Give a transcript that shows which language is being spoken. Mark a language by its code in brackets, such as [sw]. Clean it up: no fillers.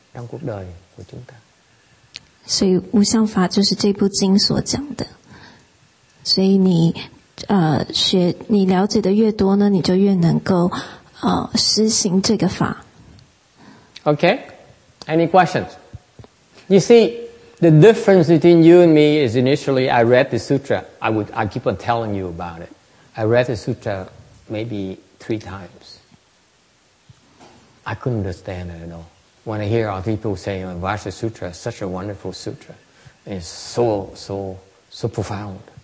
[vi] trong cuộc đời của chúng ta. [zh] 所以无相法就是这部经所讲的。所以你学你了解的越多呢，你就越能够实行这个法。 [en] Okay, any questions? You see, the difference between you and me is initially I read the sutra. I keep on telling you about it. I read the sutra maybe 3 times. I couldn't understand it at all. When I hear other people saying Vajra Sutra is such a wonderful sutra, it's so profound.